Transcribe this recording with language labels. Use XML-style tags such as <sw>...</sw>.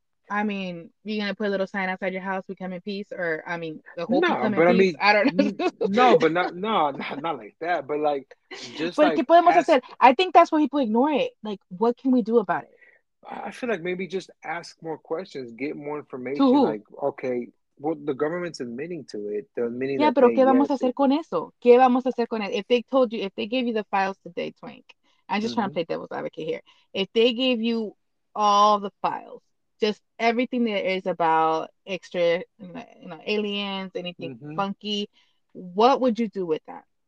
<en>I mean, you're going to put a little sign outside your house, we come in peace, or, I mean, the whole thing come in peace, I don't know. No, not like that, but, like, just, but like, but ask, I said, I think that's why people ignore it. Like, what can we do about it? I feel like maybe just ask more questions, get more information. To who? Like, okay, well, the government's admitting to it.</en> <es>Yeah, pero ¿qué vamos a hacer con eso? ¿Qué vamos a hacer con eso?</es> <en>If they told you, if they gave you the files today, Twink, I'm just trying to play devil's advocate here. If they gave you all the files, just everything that is about extra, you know, aliens, anything funky, what would you do with that?</en>